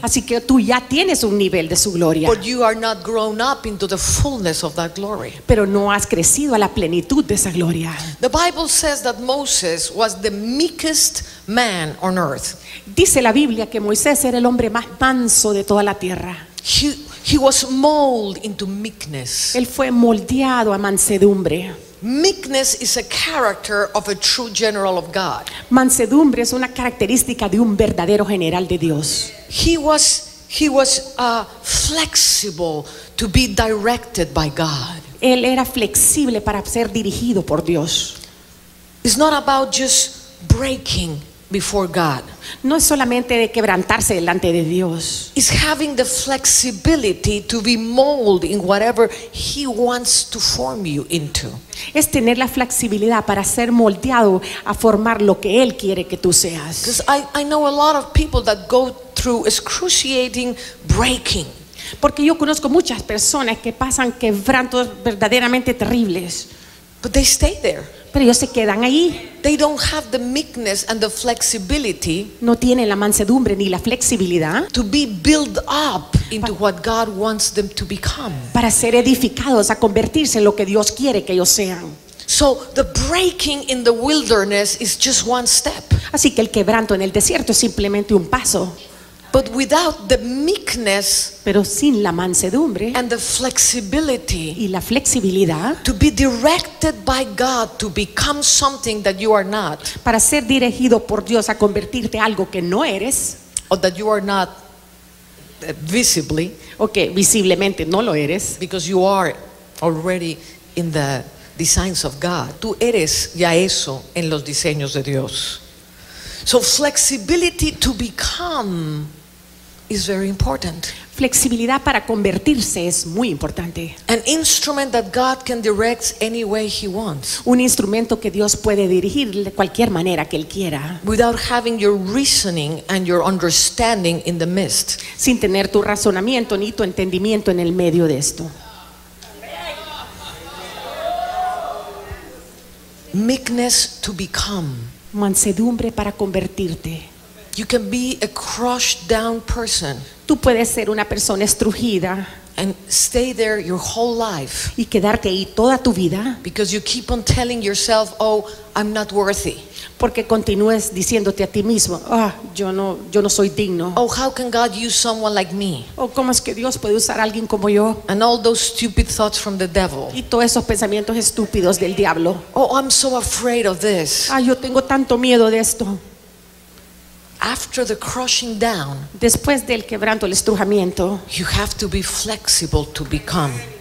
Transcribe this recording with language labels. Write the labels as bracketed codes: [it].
[es] Así que tú ya tienes un nivel de su gloria. [en] But you are not grown up into the fullness of that glory. [es] Pero no has crecido a la plenitud de esa gloria. [en] The Bible says that Moses was the meekest man on earth. [es] Dice la Biblia que Moisés era el hombre más manso de toda la tierra. [en] He was molded into meekness. [es] Él fue moldeado a mansedumbre. [en] Meekness is a character of a true general of God. [es] Mansedumbre es una característica de un verdadero general de Dios. [en] He was flexible to be directed by God. [es] Él era flexible para ser dirigido por Dios. [en] It's not about just breaking before God. [es] No es solamente de quebrantarse delante de Dios. [en] It's having the flexibility to be molded in whatever He wants to form you into. [es] Es tener la flexibilidad para ser moldeado a formar lo que Él quiere que tú seas. [en] Because I know a lot of people that go through excruciating breaking. [es] Porque yo conozco muchas personas que pasan quebrantos verdaderamente terribles. [en] But they stay there. [es] Pero ellos se quedan ahí. [en] They don't have the meekness and the flexibility. [es] No tienen la mansedumbre ni la flexibilidad. [en] To be built up into what God wants them to become. [es] Para ser edificados a convertirse en lo que Dios quiere que ellos sean. [en] So the breaking in the wilderness is just one step. [es] Así que el quebranto en el desierto es simplemente un paso. [en] But without the meekness, [es] pero sin la mansedumbre, [en] and the flexibility, [es] y la flexibilidad, [en] to be directed by God to become something that you are not, [es] para ser dirigido por Dios a convertirte algo que no eres, [en] or that you are not visibly, [es] o que visiblemente no lo eres, [en] because you are already in the designs of God. [es] Tú eres ya eso en los diseños de Dios. [en] So flexibility to become is very important. [es] Flexibilidad para convertirse es muy importante. [en] An instrument that God can direct any way He wants. [es] Un instrumento que Dios puede dirigir de cualquier manera que Él quiera. [en] Without having your reasoning and your understanding in the midst. [es] Sin tener tu razonamiento ni tu entendimiento en el medio de esto. [en] Meekness to become. [es] Mansedumbre para convertirte. [en] You can be a crushed down person. [es] Tú puedes ser una persona estrujida. [en] And stay there your whole life. [es] Y quedarte ahí toda tu vida. [en] Because you keep on telling yourself, oh, I'm not worthy. [es] Porque continúes diciéndote a ti mismo, ah, yo no soy digno. [en] Oh, how can God use someone like me? [es] Oh, ¿cómo es que Dios puede usar a alguien como yo? [en] And all those stupid thoughts from the devil. [es] Y todos esos pensamientos estúpidos del diablo. [en] Oh, I'm so afraid of this. [es] Ah, yo tengo tanto miedo de esto. [en] After the crushing down, [es] después del quebranto, el estrujamiento, [en] you have to be flexible to become.